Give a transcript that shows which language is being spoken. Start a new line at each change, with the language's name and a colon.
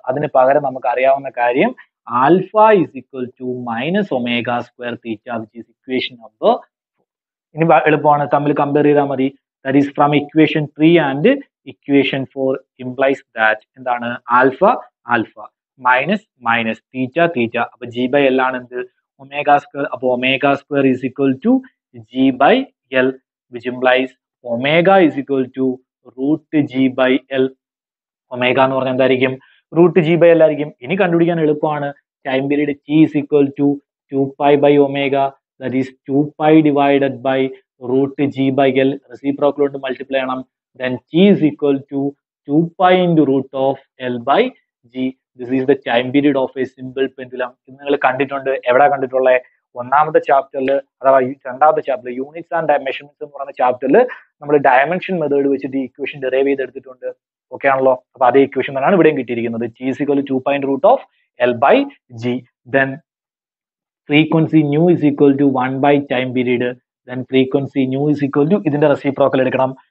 Malayalam: അതിന് പകരം നമുക്ക് അറിയാവുന്ന കാര്യം
English: Alpha is equal to minus omega square theta, which is equation number.
Malayalam: ഇനി എളുപ്പമാണ്, തമ്മിൽ കമ്പയർ ചെയ്താൽ മതി.
English: That is from equation three and equation four implies that എന്താണ്, alpha alpha minus minus theta theta. അപ്പൊ G by L ആണ് എന്ത്, omega square. അപ്പൊ omega square is equal to G by L, which implies omega is equal to root g by l.
Malayalam: omega nu parna endayirikum
English: root g by l ayirikum.
Malayalam: ini kandupidikan eluppana,
English: time period t is equal to 2 pi by omega, that is 2 pi divided by root g by l,
Malayalam: reciprocal undu multiply cheyanam,
English: then t is equal to 2 pi into root of l by g. this is the time period of a simple pendulum.
Malayalam: ningal kandittundu evada kandittulle, ഒന്നാമത്തെ ചാപ്റ്ററിൽ അഥവാ രണ്ടാമത്തെ chapter units and dimensions എന്ന് പറയുന്ന ചാപ്റ്ററിൽ നമ്മൾ dimension method വെച്ചിട്ട് ഈ ഇക്വേഷൻ ഡെറൈവ് ചെയ്തെടുത്തിട്ടുണ്ട്. ഓക്കെ ആണല്ലോ. അപ്പൊ അതേ ഇക്വേഷൻ തന്നെയാണ് ഇവിടെയും കിട്ടിയിരിക്കുന്നത്.
English: G is equal to 2 pi root of L by G, then frequency nu is equal to 1 by time period, then frequency nu is equal to ഇതിന്റെ reciprocal എടുക്കണം.